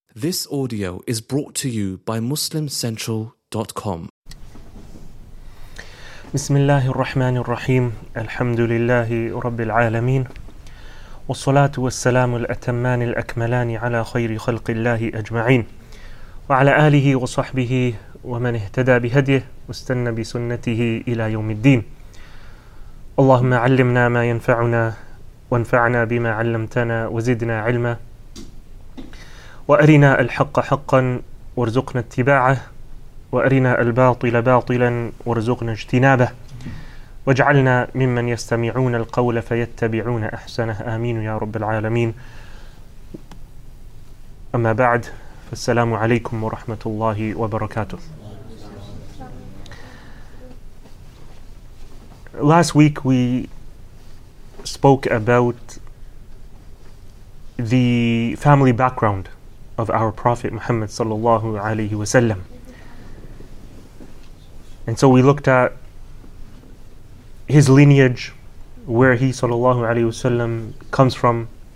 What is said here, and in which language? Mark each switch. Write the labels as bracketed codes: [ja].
[en] This audio is brought to you by MuslimCentral.com. [ar] بسم الله الرحمن الرحيم الحمد لله رب العالمين والصلاة والسلام الأتمان الأكملان على خير خلق الله أجمعين وعلى آله وصحبه ومن اهتدى بهديه واستنى بسنته إلى يوم الدين اللهم علمنا ما ينفعنا وانفعنا بما علمتنا وزدنا علما وأرنا الحق حقا وارزقنا اتباعه وأرنا الباطل باطلا وارزقنا اجتنابه واجعلنا ممن يستمعون القول فيتبعون أحسنه آمين يا رب العالمين أما بعد فالسلام عليكم ورحمة الله وبركاته. [en] Last week we spoke about the family background of our Prophet Muhammad sallallahu alayhi wa sallam. And so we looked at his lineage, where he sallallahu alayhi wa sallam comes from.